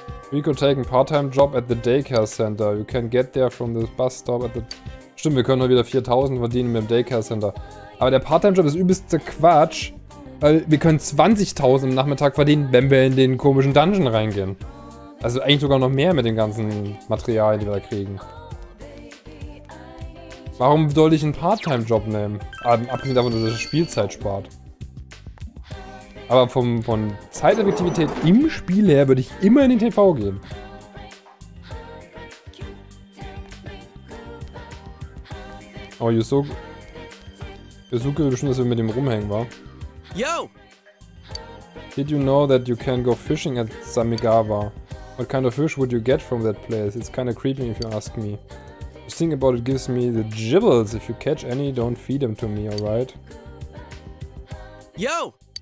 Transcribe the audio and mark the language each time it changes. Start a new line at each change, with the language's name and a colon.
English: We could take a part-time job at the daycare center. You can get there from the bus stop at the...
German: Stimmt, wir können nur wieder 4000 verdienen mit dem Daycare Center. Aber der Part-time-Job ist übelste Quatsch. Weil wir können 20.000 am Nachmittag verdienen, wenn wir in den komischen Dungeon reingehen. Also eigentlich sogar noch mehr mit den ganzen Materialien, die wir da kriegen. Warum sollte ich einen Part-time-Job nehmen? Abhängig davon, dass das Spielzeit spart. Aber von Zeiteffektivität im Spiel her würde ich immer in den TV gehen. Oh, Yusuke will bestimmt, dass wir mit dem rumhängen, wa?
English: Yo! Did you know that you can go fishing at Samigawa? What kind of fish would you get from that place? It's kind of creepy if you ask me. Just think about it, gives me the jibbles. If you catch any, don't feed them to me, alright? Yo!